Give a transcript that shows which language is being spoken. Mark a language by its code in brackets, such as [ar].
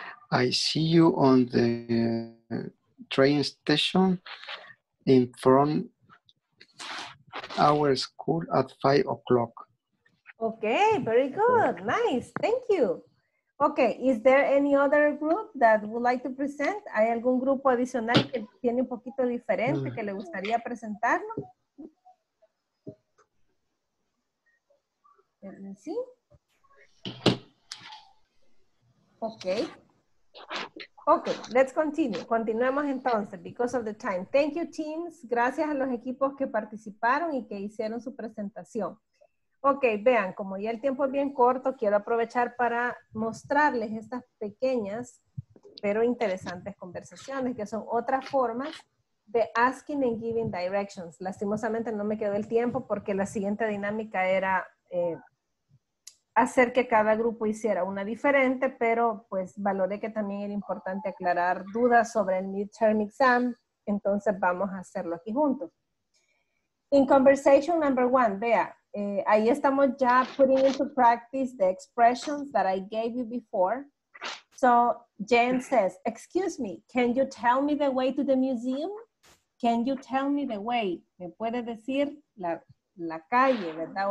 [en] I see you on the train station in front our school at 5 o'clock. Okay, very good. Nice. Thank you. Okay, is there any other group that would like to present? [es] ¿Hay algún grupo adicional que tiene un poquito diferente que le gustaría presentarlo? [en] Let me see. Okay. Okay, let's continue. [es] Continuemos entonces, [en] because of the time. Thank you, teams. [es] Gracias a los equipos que participaron y que hicieron su presentación. Ok, vean, como ya el tiempo es bien corto, quiero aprovechar para mostrarles estas pequeñas pero interesantes conversaciones que son otras formas de [en] asking and giving directions. [es] Lastimosamente no me quedó el tiempo porque la siguiente dinámica era hacer que cada grupo hiciera una diferente, pero pues valoré que también era importante aclarar dudas sobre el midterm exam, entonces vamos a hacerlo aquí juntos. [en] In conversation number one, [es] vea. Ahí estamos ya [en] putting into practice the expressions that I gave you before. So, Jen says, excuse me, can you tell me the way to the museum? Can you tell me the way? [es] Me puede decir la calle, ¿verdad?